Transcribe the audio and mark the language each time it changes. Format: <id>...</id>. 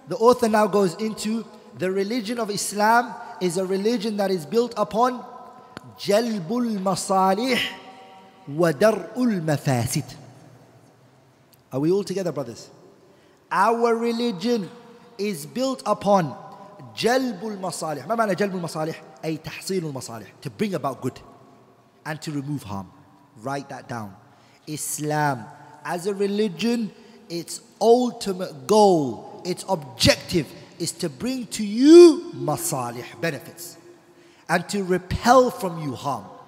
<en>The author now goes into the religion of Islam is a religion that is built upon</en> <ar>جلب المصالح ودرء المفاسد.</ar> <en>Are we all together, brothers? Our religion is built upon</en> <ar>جلب المصالح. ما معنى جلب المصالح؟ أي تحصيل المصالح.</ar> <en>To bring about good and to remove harm. Write that down. Islam, as a religion, its ultimate goal, its objective is to bring to you مصالح, benefits, and to repel from you harm.</en>